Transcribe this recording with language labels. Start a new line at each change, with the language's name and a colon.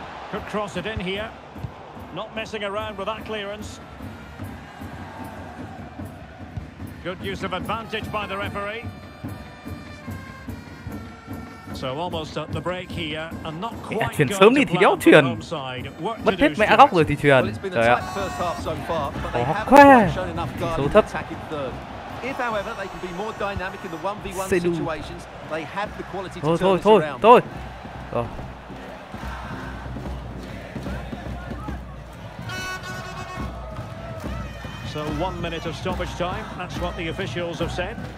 English: Could cross it in here. Not messing around with that clearance. Good use of advantage by the referee. So almost at the break here, and not quite
Vietnamese: yeah, chuyển sớm đi thì đéo chuyển. Mất hết mẹ góc rồi thì chuyển. Trời ạ. Khó quá. Số thấp.
English: If, however, they can be more dynamic in the 1v1 situations, they have the quality to turn this around.
Vietnamese: Thôi, thôi, thôi.
English: So 1 minute of stoppage time. That's what the officials have said.